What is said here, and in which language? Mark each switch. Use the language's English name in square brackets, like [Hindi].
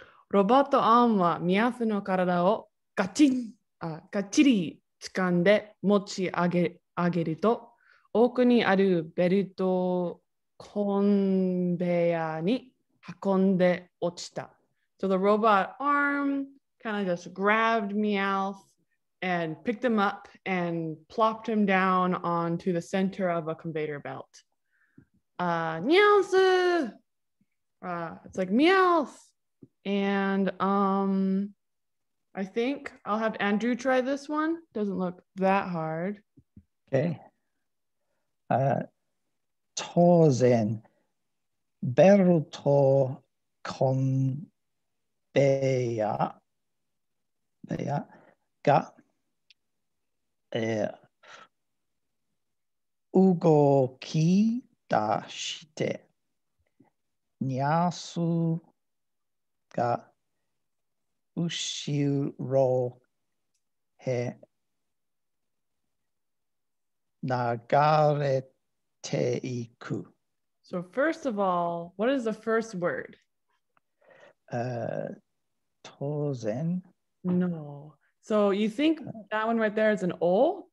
[Japanese] ロバート・アンはミアスの体をガチン、あ、ガチリ掴んで持ち上げると、奥にあるベルトコンベヤーに運んで落ちた。 [English] So the robot arm kind of just grabbed Meowth and picked him up and plopped him down onto the center of a conveyor belt. Meowth! It's like Meowth! And I think I'll have Andrew try this one. Doesn't look that hard. Okay. [Japanese] 当然ベルトコンベヤが、動き出してニャースが後ろへ流れていく。 [English] So first of all, what is the first word? [Japanese] 当然。 [English] No. So you think that one right there is an O?